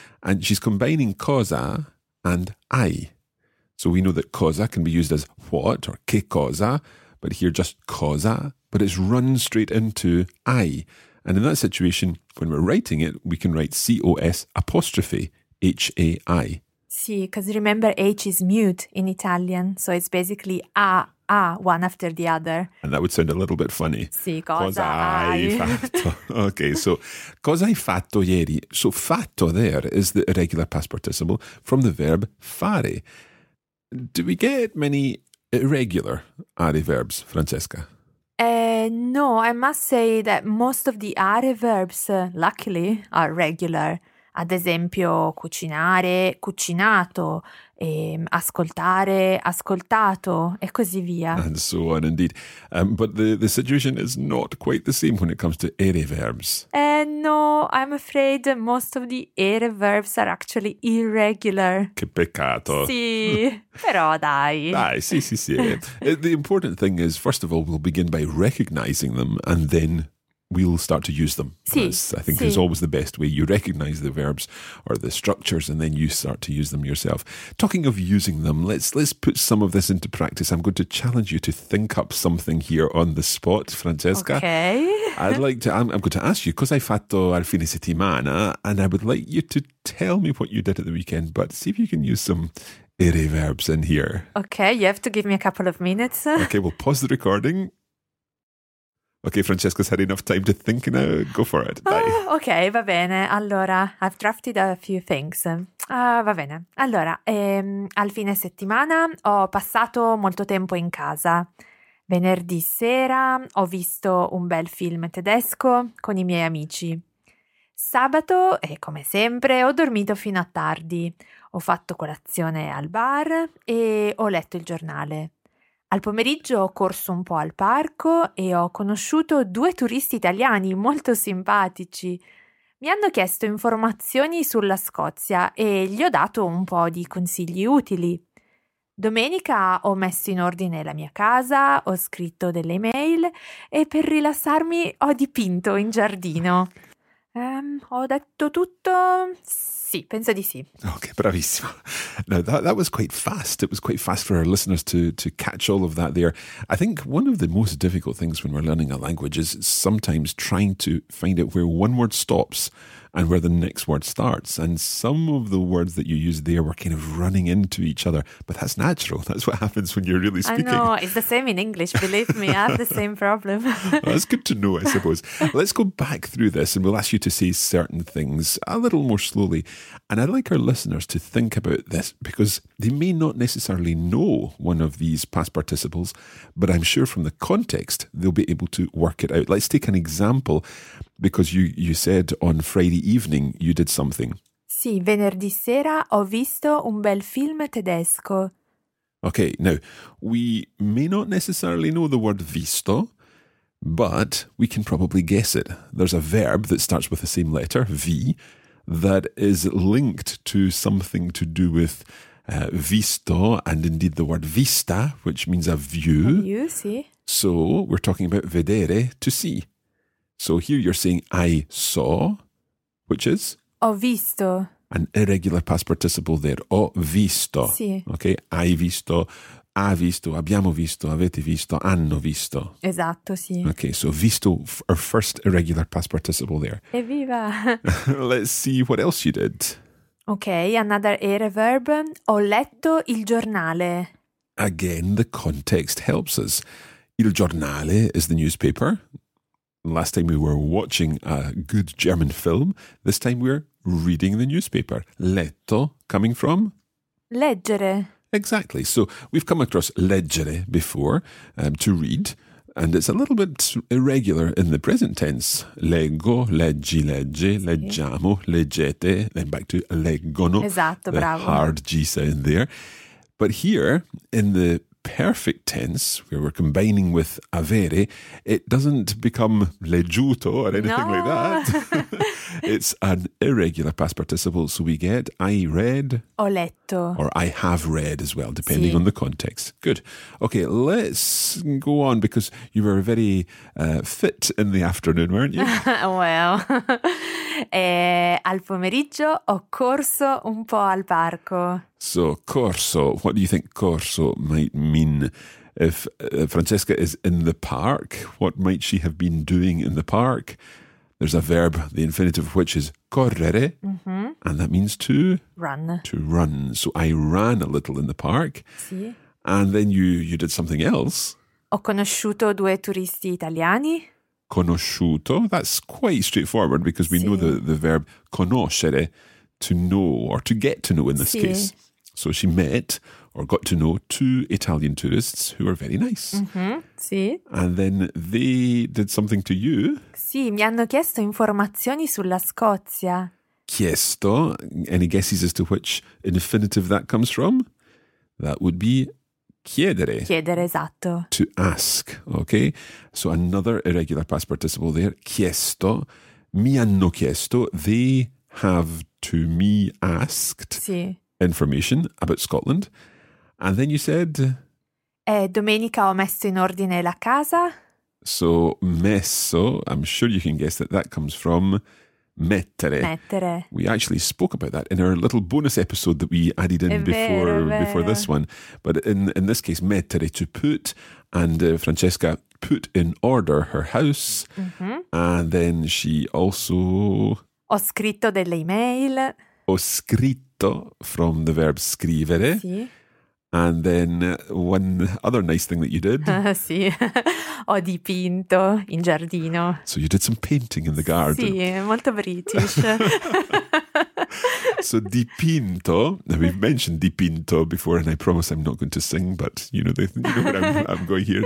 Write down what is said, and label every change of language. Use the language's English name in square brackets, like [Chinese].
[English] And she's combining cosa and hai. So we know that cosa can be used as what or che cosa, but here just cosa, but it's run straight into hai. And in that situation, when we're writing it, we can write C-O-S apostrophe H-A-I. Sì, because remember H is mute in Italian, so it's basically a, a, one after the other. And that would sound a little bit funny. [Italian] Sì, cosa hai fatto. [English] Okay, so [Italian] cosa hai fatto ieri? [English] So fatto there is the irregular past participle from the verb fare. Do we get many irregular are verbs, Francesca? No, I must say that most of the are verbs, luckily, are regular. [Italian] Ad esempio, cucinare, cucinato, ascoltare, ascoltato, e così via. [English] And so on, indeed. But the situation is not quite the same when it comes to ere verbs. No, I'm afraid most of the ere verbs are actually irregular. [Italian] Che peccato. Sì, però dai. Dai, sì, sì, sì. [English] The important thing is, first of all, we'll begin by recognizing them and then... we'll start to use them. [Italian] Sì, [English] I think [Italian] sì. [English] Is always the best way. You recognize the verbs or the structures and then you start to use them yourself. Talking of using them, let's put some of this into practice. I'm going to challenge you to think up something here on the spot, Francesca. Okay. I'm going to ask you, cosa hai fatto al fine settimana? And I would like you to tell me what you did at the weekend, but see if you can use some ere verbs in here. Okay, you have to give me a couple of minutes. Okay, we'll pause the recording. Okay, Francesca's had enough time to think now. Go for it. [Italian] Okay, va bene. [English] Allora, I've drafted a few things. [Italian] Va bene. Allora, al fine settimana ho passato molto tempo in casa. Venerdì sera ho visto un bel film tedesco con i miei amici. Sabato, e come sempre, ho dormito fino a tardi. Ho fatto colazione al bar e ho letto il giornale. Al pomeriggio ho corso un po' al parco e ho conosciuto due turisti italiani molto simpatici. Mi hanno chiesto informazioni sulla Scozia e gli ho dato un po' di consigli utili. Domenica ho messo in ordine la mia casa, ho scritto delle email e per rilassarmi ho dipinto in giardino. Ho detto tutto? Sì, penso di sì. Okay, bravissimo. [English] Now that was quite fast. It was quite fast for our listeners to catch all of that there. I think one of the most difficult things when we're learning a language is sometimes trying to find out where one word stops and where the next word starts. And some of the words that you used there were kind of running into each other. But that's natural. That's what happens when you're really I speaking. know, it's the same in English, believe me. I have the same problem. Well, that's good to know, I suppose. Let's go back through this and we'll ask you to say certain things a little more slowly. And I'd like our listeners to think about this because they may not necessarily know one of these past participles, but I'm sure from the context, they'll be able to work it out. Let's take an example. Because you said on Friday evening you did something. [Italian] Sì, venerdì sera ho visto un bel film tedesco. [English] Okay, now, we may not necessarily know the word visto, but we can probably guess it. There's a verb that starts with the same letter, V, that is linked to something to do with visto, and indeed the word vista, which means a view. A view, sì. So, we're talking about vedere, to see. So here you're saying I saw, which is? [Italian] Ho visto. [English] An irregular past participle there. [Italian] Ho visto. Sì. Okay, hai visto, ha visto, abbiamo visto, avete visto, hanno visto. Esatto, sì. [English] Okay, so visto, our first irregular past participle there. [Italian] Evviva! [English] Let's see what else you did. Okay, another aereo verb. [Italian] Ho letto il giornale. [English] Again, the context helps us. Il giornale is the newspaper. Last time we were watching a good German film, this time we're reading the newspaper. Letto, coming from? [Italian] Leggere. [English] Exactly. So we've come across leggere before, to read, and it's a little bit irregular in the present tense. [Italian] Leggo, leggi, legge, leggiamo, leggete, then back to leggono. Esatto, [English] the [Italian] bravo. [English] Hard G sound there. But here, in the perfect tense, where we're combining with avere, it doesn't become leggiuto or anything no. like that. It's an irregular past participle, so we get I read. [Italian] Ho letto. [English] Or I have read as well, depending [Italian] sì. [English] on the context. Good. Okay, let's go on, because you were very fit in the afternoon, weren't you? Well, [Italian] al pomeriggio ho corso un po' al parco. [English] So, corso, what do you think corso might mean? If Francesca is in the park, what might she have been doing in the park? There's a verb, the infinitive of which is correre, mm-hmm. and that means to? Run. To run. So, I ran a little in the park, [Italian] sì. [English] and then you did something else. [Italian] Ho conosciuto due turisti italiani. [English] Conosciuto, that's quite straightforward because we [Italian] sì. [English] know the verb conoscere. To know or to get to know in this [Italian] sì. [English] case. So she met or got to know two Italian tourists who were very nice. [Italian] Mm-hmm. Sì. [English] And then they did something to you. [Italian] Sì, mi hanno chiesto informazioni sulla Scozia. Chiesto. [English] Any guesses as to which infinitive that comes from? That would be chiedere. [Italian] Chiedere, esatto. [English] To ask, okay? So another irregular past participle there. [Italian] Chiesto. Mi hanno chiesto. [English] They have to me asked [Italian] sì. [English] information about Scotland. And then you said? [Italian] Domenica ho messo in ordine la casa. [English] So messo, I'm sure you can guess that that comes from mettere. [Italian] Mettere. [English] We actually spoke about that in our little bonus episode that we added in before this one. But in this case, mettere, to put. And Francesca put in order her house. Mm-hmm. And then she also... [Italian] Ho scritto delle email. [English] Ho scritto, from the verb scrivere. [Italian] Sì. [English] And then one other nice thing that you did. [Italian] Sì. Ho dipinto in giardino. [English] So you did some painting in the garden. [Italian] Sì, molto British. [English] So dipinto, now we've mentioned dipinto before and I promise I'm not going to sing, but you know where I'm going here.